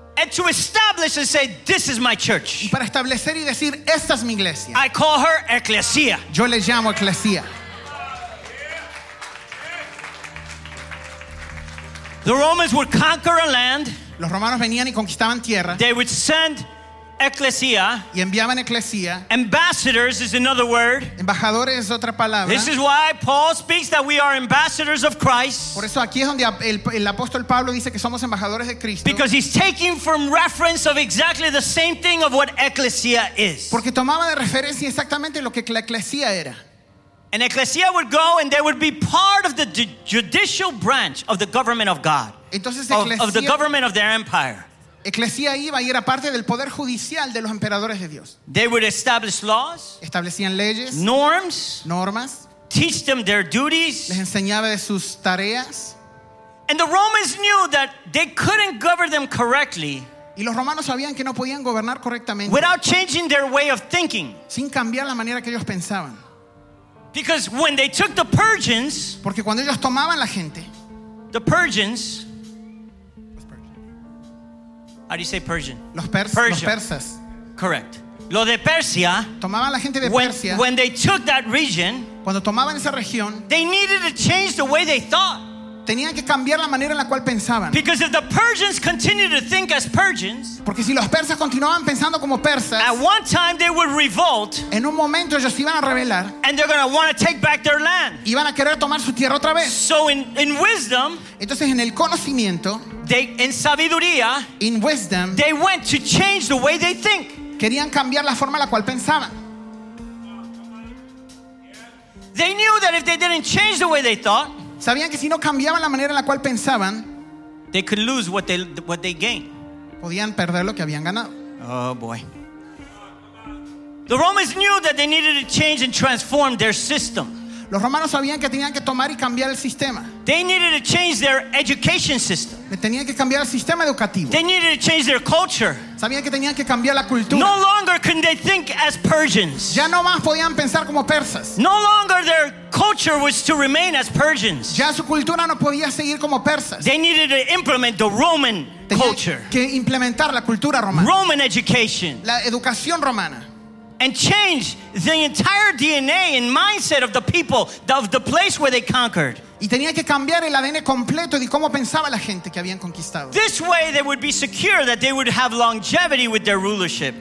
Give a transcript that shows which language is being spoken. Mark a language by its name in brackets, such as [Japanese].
[English] And to establish and say, this is my church. [Spanish] Y para establecer y decir, esta es mi iglesia. [English] I call her ecclesia. [Spanish] Yo le llamo eclesía. [English] The Romans would conquer a land. [Spanish] Los romanos venían y conquistaban tierra. [English] They would send ecclesia. [Spanish] Y enviaban ecclesia. [English] Ambassadors is another word. [Spanish] Embajadores es otra palabra. [English] This is why Paul speaks that we are ambassadors of Christ. [Spanish] Por eso aquí es donde el apóstol Pablo dice que somos embajadores de Cristo. [English] Because he's taking from reference of exactly the same thing of what ecclesia is. [Spanish] Porque tomaba de referencia exactamente lo que la eclesía era. [English] And ecclesia would go and they would be part of the judicial branch of the government of God. [Spanish] Entonces, [English] of the government of their empire. [Spanish] Eclesía iba y era parte del poder judicial de los emperadores de Dios. [English] They would establish laws, [Spanish] establecían leyes, [English] norms, [Spanish] normas, [English] teach them their duties, [Spanish] les enseñaba de sus tareas. [English] And the Romans knew that they couldn't govern them correctly. [Spanish] Y los romanos sabían que no podían gobernar correctamente. [English] Without changing their way of thinking. [Spanish] Sin cambiar la manera que ellos pensaban. [English] Because when they took the Persians, [Spanish] porque cuando ellos tomaban la gente. [English] The Persians. How do you say Persian? [Spanish] Los persas. [English] Correct. [Spanish] Lo de Persia. Tomaban la gente de Persia. [English] When they took that region, [Spanish] cuando tomaban esa región, [English] they needed to change the way they thought. [Spanish] Tenían que cambiar la manera en la cual pensaban. [English] Because if the Persians continued to think as Persians, [Spanish] porque si los persas continuaban pensando como persas, [English] at one time they would revolt, [Spanish] en un momento ellos iban a rebelar, [English] and they're going to want to take back their land, [Spanish] iban a querer tomar su tierra otra vez. [English] So in wisdom, [Spanish] entonces en el conocimiento, [English] they, [Spanish] en sabiduría, [English] in wisdom, they went to change the way they think. [Spanish] Querían cambiar la forma en la cual pensaban. [English] They knew that if they didn't change the way they thought, [Spanish] sabían que si no cambiaban la manera en la cual pensaban, [English] they could lose what they gained. [Spanish] Podían perder lo que habían ganado. [English] Oh boy. The Romans knew that they needed to change and transform their system. [Spanish] Los romanos sabían que tenían que tomar y cambiar el sistema. [English] They needed to change their education system. [Spanish] Tenían que cambiar el sistema educativo. [English] They needed to change their culture. [Spanish] Sabían que tenían que cambiar la cultura. [English] No longer could they think as Persians. [Spanish] Ya no más podían pensar como persas. [English] No longer their culture was to remain as Persians. [Spanish] Ya su cultura no podía seguir como persas. [English] They needed to implement the Roman culture. [Spanish] Tenían que implementar la cultura romana. [English] Roman education. [Spanish] La educación romana. [English] And change the entire DNA and mindset of the people, of the place where they conquered. [Spanish] Y tenía que cambiar el ADN completo de cómo pensaba la gente que habían conquistado. [English] This way they would be secure that they would have longevity with their rulership.